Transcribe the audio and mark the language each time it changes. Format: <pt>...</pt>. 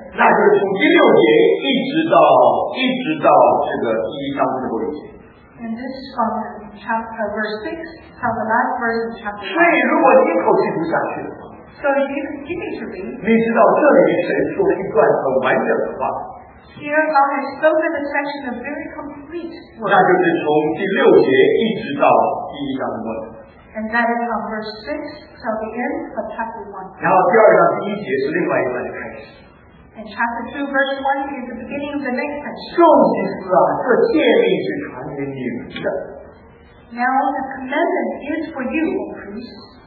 <zh>那就是从第六节一直到这个第一章最后一节。And</zh> <en>this is from chapter verse 6 till the last verse of chapter</en> <zh>所以如果一口气读下去的话，So</zh> <en>if you continue to read.</en> <zh>你知道这里谁说了一段很完整的话。</zh> <en>Here God has spoken the section of very complete words.</en> <zh>那就是从第六节一直到第一章末尾。</zh> <en>And that is from verse 6 till the end of chapter 1.</en> <zh>然后第二章第一节是另外一段的开始。</zh> <en>And chapter 2 verse 1 is the beginning of the next section.</en> <zh>众祭司啊，这诫命是传给你们的。</zh> <en>Now the commandment is for you, O priest.</en>